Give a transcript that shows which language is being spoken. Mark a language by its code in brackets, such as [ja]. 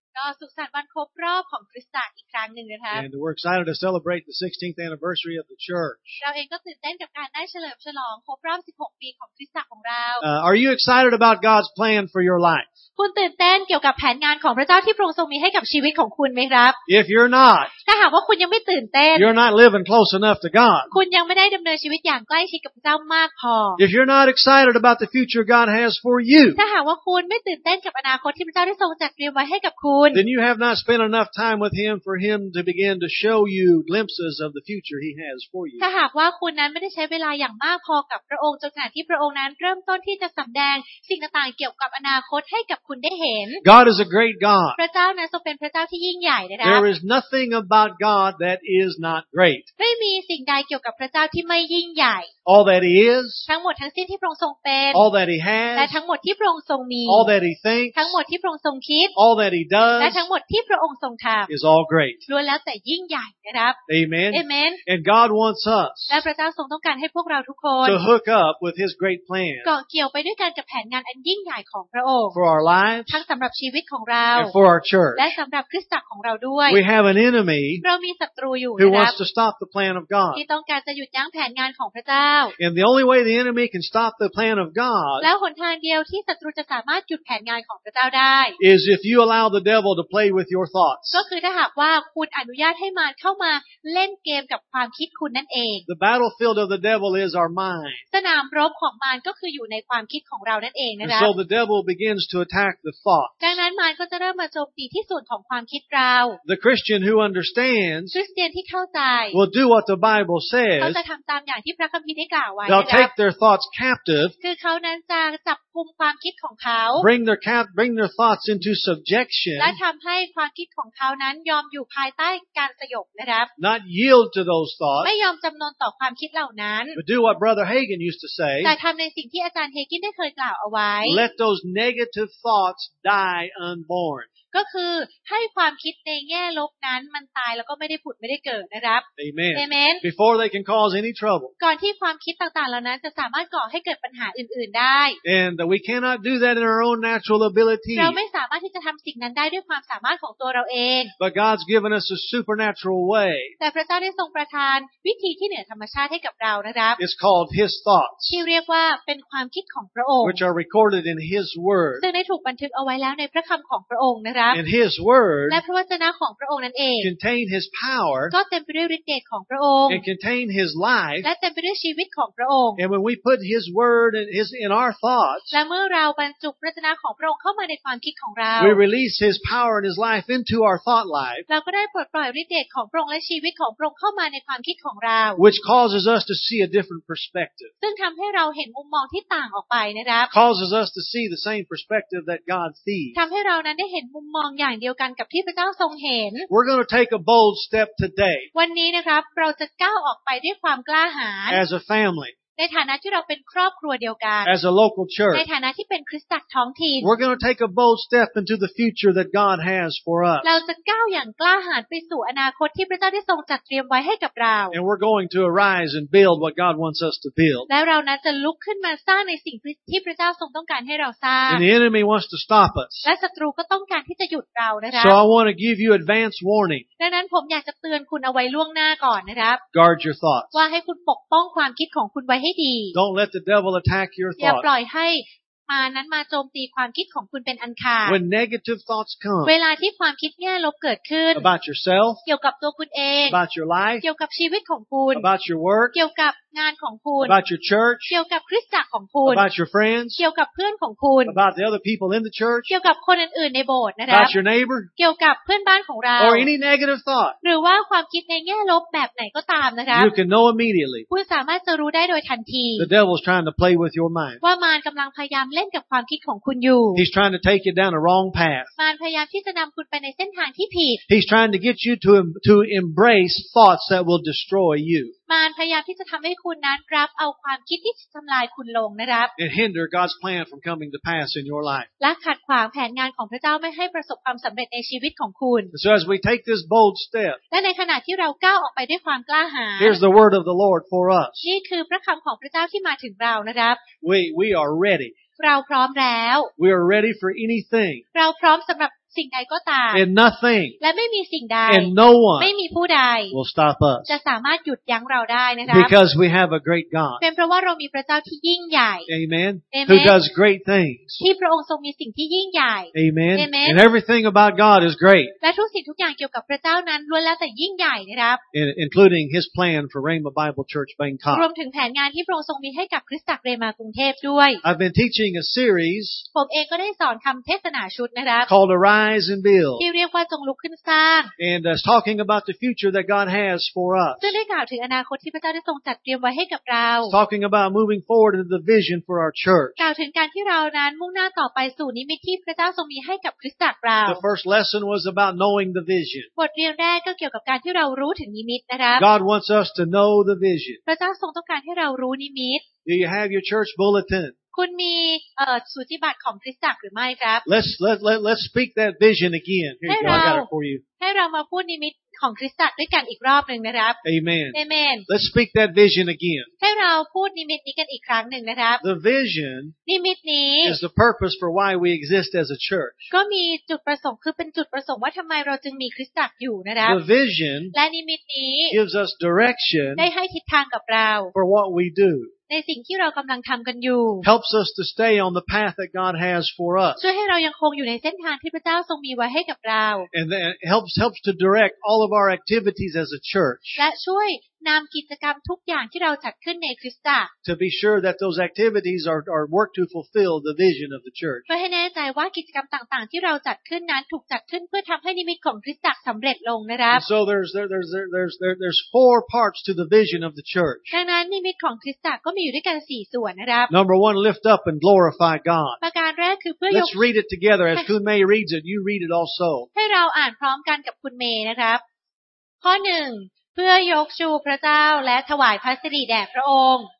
[th] ก็สุขสันต์วันครบรอบของคริสตจักรอีกครั้งนึงนะครับ [en] And we're excited to celebrate the 16th anniversary of the church. [th] เราเองก็ตื่นเต้นกับการได้เฉลิมฉลองครบรอบ16ปีของคริสตจักรของเรา [en] Are you excited about God's plan for your life? [th] คุณตื่นเต้นเกี่ยวกับแผนงานของพระเจ้าที่พระองค์ทรงมีให้กับชีวิตของคุณมั้ยครับ [en] If you're not [th] ถ้าหากว่าคุณยังไม่ตื่นเต้น [en] You're not living close enough to God. [th] คุณยังไม่ได้ดําเนินชีวิตอย่างใกล้ชิดกับพระเจ้ามากพอ [en] If you're not excited about the future God has for you [th] ถ้าหากว่าคุณไม่ตื่นเต้นกับอนาคตที่พระเจ้าได้ทรงจัดเตรียมไว้ให้กับคุณ [en] Then you have not spent enough time with him for him to begin to show you glimpses of the future he has for you. [th] ถ้าหากว่าคุณนั้นไม่ได้ใช้เวลาอย่างมากพอกับพระองค์จนขณะที่พระองค์นั้นเริ่มต้นที่จะสำแดงสิ่งต่างๆเกี่ยวกับอนาคตให้กับคุณได้เห็น [en] God is a great God. [th] พระเจ้านั้นทรงเป็นพระเจ้าที่ยิ่งใหญ่นะครับ [en] There is nothing about God that is not great. [th] ไม่มีสิ่งใดเกี่ยวกับพระเจ้าที่ไม่ยิ่งใหญ่ [en] All that he is. [th] ทั้งหมดทั้งสิ้นที่พระองค์ทรงเป็น [en] All that he has. [th] และทั้งหมดที่พระองค์ทรงมี [en] All that he thinks. [th] ทั้งหมดที่พระองค์ทรงคิด [en] All that he does. [th] และทั้งหมดที่พระองค์ทรงทำ [en] is all great [th] ล้วนแล้วแต่ยิ่งใหญ่นะครับ [en] Amen Amen and God wants us [th] และพระเจ้าทรงต้องการให้พวกเราทุกคน [en] to hook up with His great plan [th] เกาะเกี่ยวไปด้วยกันกับแผนงานอันยิ่งใหญ่ของพระองค์ [en] for our lives [th] ทั้งสำหรับชีวิตของเรา [en] and for our church [th] และสำหรับคริสตจักรของเราด้วย [en] we have an enemy [th] เรามีศัตรูอยู่นะครับ [en] who wants to stop the plan of God [th] ที่ต้องการจะหยุดยั้งแผนงานของพระเจ้า [en] and the only way the enemy can stop the plan of God [th] แล้วหนทางเดียวที่ศัตรูจะสามารถหยุดแผนงานของพระเจ้าได้ [en] is if you allow the devil to play with your thoughts [th] ก็คือถ้าหากว่าคุณอนุญาตให้มันเข้ามาเล่นเกมกับความคิดคุณนั่นเอง [en] The battlefield of the devil is our mind [th] สนามรบของมันก็คืออยู่ในความคิดของเรานั่นเองนะครับ [en] So the devil begins to attack the thoughts [th] ดังนั้นมันก็จะเริ่มมาโจมตีที่ส่วนของความคิดเรา [en] The Christian who understands [th] คริสเตียนที่เข้าใจ [en] will do what the Bible says [th] เขาจะทําตามอย่างที่พระคัมภีร์ได้กล่าวไว้นะครับ [en] They'll take their thoughts captive [th] คือเขานั้นจะจับกุมความคิดของเขา [en] bring their thoughts into subjection [th] และทำให้ความคิดของเขานั้นยอมอยู่ภายใต้การสยบนะครับ [en] Not yield to those thoughts [th] ไม่ยอมจำนนต่อความคิดเหล่านั้น [en] But do what Brother Hagin used to say [th] แต่ทำในสิ่งที่อาจารย์เฮกินได้เคยกล่าวเอาไว้ [en] Let those negative thoughts die unborn [th] ก็คือให้ความคิดในแง่ลบนั้นมันตายแล้วก็ไม่ได้ผุดไม่ได้เกิดนะครับ [en] Amen. Amen. Before they can cause any trouble. [th] ก่อนที่ความคิดต่างๆเหล่านั้นจะสามารถก่อให้เกิดปัญหาอื่นๆได้ [en] And we cannot do that in our own natural ability. [th] เราไม่สามารถที่จะทำสิ่งนั้นได้ด้วยความสามารถของตัวเราเอง [en] But God's given us a supernatural way. [th] แต่พระเจ้าได้ทรงประทานวิธีที่เหนือธรรมชาติให้กับเรานะครับ [en] It's called His thoughts. [th] ที่เรียกว่าเป็นความคิดของพระองค์ [en] Which are recorded in His word. [th] ซึ่งได้ถูกบันทึกเอาไว้แล้วในพระคำของพระองค์นะครับ [en] And His word [th] และพระวจนะของพระองค์นั่นเอง [en] contain His power [th] ก็เต็มไปด้วยฤทธิ์เดชของพระองค์ [en] and contain His life [th] และเต็มไปด้วยชีวิตของพระองค์ [en] and when we put His word and His in our thoughts [th] และเมื่อเราบรรจุพระวจนะของพระองค์เข้ามาในความคิดของเรา [en] we release His power and His life into our thought life [th] เราก็ได้ปลดปล่อยฤทธิ์เดชของพระองค์และชีวิตของพระองค์เข้ามาในความคิดของเรา [en] which causes us to see a different perspective [th] ซึ่งทำให้เราเห็นมุมมองที่ต่างออกไปนะครับ [en] causes us to see the same perspective that God sees [th] ทำให้เรานั้นได้เห็นมุมมองอย่างเดียวกันกับที่พระเจ้าทรงเห็น [en] We're going to take a bold step today [th] วันนี้นะครับเราจะก้าวออกไปด้วยความกล้าหาญ [en] As a family [th] ในฐานะที่เราเป็นครอบครัวเดียวกัน [en] As a local church [th] ในฐานะที่เป็นคริสตจักรท้องถิ่น [en] We're going to take a bold step into the future that God has for us [th] เราจะก้าวอย่างกล้าหาญไปสู่อนาคตที่พระเจ้าได้ทรงจัดเตรียมไว้ให้กับเรา [en] And we're going to arise and build what God wants us to build [th] และเรานั้นจะลุกขึ้นมาสร้างในสิ่งที่พระเจ้าทรงต้องการให้เราสร้าง [en] And the enemy wants to stop us [th] และศัตรูก็ต้องการที่จะหยุดเรานะครับ [en] So I want to give you advance warning [th] ดังนั้นผมอยากจะเตือนคุณเอาไว้ล่วงหน้าก่อนนะครับ [en] Guard your thoughts [th] ว่าให้คุณปกป้องความคิดของคุณไว้ [en] Don't let the devil attack your thoughts. อ [th] ย่าปล่อยให้มันนั้นมาโจมตีความคิดของคุณเป็นอันขาด [en] When negative thoughts come, [th] เวลาที่ความคิดแย่ลบเกิดขึ้น [en] about yourself, [th] เกี่ยวกับตัวคุณเอง [en] about your life, [th] เกี่ยวกับชีวิตของคุณ [en] about your work, [th] เกี่ยวกับงานของคุณ [en] about your church, [th] เกี่ยวกับคริสตจักรของคุณ [en] about your friends, [th] เกี่ยวกับเพื่อนของคุณ [en] about the other people in the church, [th] เกี่ยวกับคนอื่นในโบสถ์นะครับ [en] about your neighbor, [th] เกี่ยวกับเพื่อนบ้านของเรา [en] or any negative thought, [th] หรือว่าความคิดในแง่ลบแบบไหนก็ตามนะครับ [en] you can know immediately, [th] คุณสามารถจะรู้ได้โดยทันที [en] the devil's trying to play with your mind, [th] ว่ามารกำลังพยายามเล่นกับความคิดของคุณอยู่ [en] he's trying to take you down a wrong path, [th] มารพยายามที่จะนำคุณไปในเส้นทางที่ผิด [en] he's trying to get you to embrace thoughts that will destroy you [th] มารพยายามที่จะทําให้คุณนั้นรับเอาความคิดที่จะทําลายคุณลงนะครับ [en] It hinder God's plan from coming to pass in your life [th] และขัดขวางแผนงานของพระเจ้าไม่ให้ประสบความสําเร็จในชีวิตของคุณ [en] So as we take this bold step [th] และในขณะที่เราก้าวออกไปด้วยความกล้าหาญ [en] Here's the word of the Lord for us [th] นี่คือพระคําของพระเจ้าที่มาถึงเรานะครับ [en] We are ready [th] เราพร้อมแล้ว [en] We are ready for anything [th] เราพร้อมสําหรับสิ่งใดก็ตาม [en] And nothing [th] และไม่มีสิ่งใด [en] And no one [th] ไม่มีผู้ใด [en] will stop us [th] จะสามารถหยุดยั้งเราได้นะครับ [en] Because we have a great God [th] เป็นเพราะว่าเรามีพระเจ้าที่ยิ่งใหญ่ [en] Amen Amen Who does great things [th] ที่พระองค์ทรงมีสิ่งที่ยิ่งใหญ่ [en] Amen Amen And everything about God is great [th] และทุกสิ่งทุกอย่างเกี่ยวกับพระเจ้านั้นล้วนแล้วแต่ยิ่งใหญ่นะครับ [en] Including His plan for Rhema Bible Church Bangkok [th] รวมถึงแผนงานที่พระองค์ทรงมีให้กับคริสตจักรเรมากรุงเทพด้วย [en] I've been teaching a series [th] ผมเองก็ได้สอนคำเทศนาชุดนะครับ [en] Called Rise and build. [th] ที่เรียกว่าจงลุกขึ้นสร้าง [en] And talking about the future that God has for us. [th] ซึ่งได้กล่าวถึงอนาคตที่พระเจ้าได้ทรงจัดเตรียมไว้ให้กับเรา [en] Talking about moving forward into the vision for our church. [th] กล่าวถึงการที่เรานั้นมุ่งหน้าต่อไปสู่นิมิตที่พระเจ้าทรงมีให้กับคริสตจักรเรา [en] The first lesson was about knowing the vision. [th] บทเรียนแรกก็เกี่ยวกับการที่เรารู้ถึงนิมิตนะครับ [en] God wants us to know the vision. [th] พระเจ้าทรงต้องการให้เรารู้นิมิต [en] Do you have your church bulletin? [th] คุณมีสูติบัตรของคริสตจักรหรือไม่ครับ [en] Let's speak that vision again. Here you go. I got it for you. [th] ให้เรามาพูดนิมิตของคริสตจักรด้วยกันอีกรอบนึงนะครับ [en] Amen. Amen. Let's speak that vision again. [th] ให้เราพูดนิมิตนี้กันอีกครั้งนึงนะครับ [en] The vision [th] นิมิตนี้ [en] is the purpose for why we exist as a church. [th] ก็มีจุดประสงค์คือเป็นจุดประสงค์ว่าทำไมเราจึงมีคริสตจักรอยู่นะครับ [en] The vision [th] และนิมิตนี้ [en] gives us direction [th] ได้ให้ทิศทางกับเรา [en] for what we do. [th] ในสิ่งที่เรากำลังทำกันอยู่ [en] Helps us to stay on the path that God has for us [th] ช่วยให้เรายังคงอยู่ในเส้นทางที่พระเจ้าทรงมีไว้ให้กับเรา [en] And then helps to direct all of our activities as a church [th] และช่วยนำกิจกรรมทุกอย่างที่เราจัดขึ้นในคริสตจักร [en] To be sure that those activities are work to fulfill the vision of the church [th] เพื่อให้แน่ใจว่ากิจกรรมต่างๆที่เราจัดขึ้นนั้นถูกจัดขึ้นเพื่อทำให้นิมิตของคริสตจักรสำเร็จลงนะครับ [en] So there's four parts to the vision of the church [th] ดังนั้นนิมิตของคริสตจักรก็มีอยู่ด้วยกัน4ส่วนนะครับ [en] Number 1 lift up and glorify God [th] ประการแรกคือเพื่อ [en] Let's read it together as Kunmei reads it you read it also [th] ให้เราอ่านพร้อมกันกับคุณเมย์นะครับข้อ1เพื่อยกชูพระเจ้าและถวายพระสิริแด่พระองค์